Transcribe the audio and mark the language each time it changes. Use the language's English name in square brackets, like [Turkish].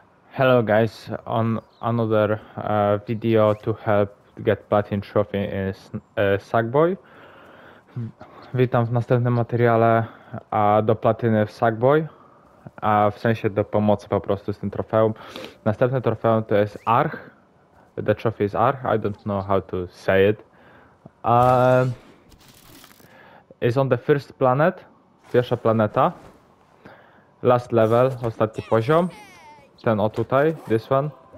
[English] Hello guys, on another video to help get Platin Trophy in Sackboy. [Polish] Witam w następnym materiale do Platiny w Sackboy. W sensie do pomocy po prostu z tym trofeum. Następne trofeum to jest Arch. [English] The trophy is Arch, I don't know how to say it. It's on the first planet, [Polish] pierwsza planeta. [English] Last level, [Polish] ostatni poziom. Ten o tutaj, [English] this one.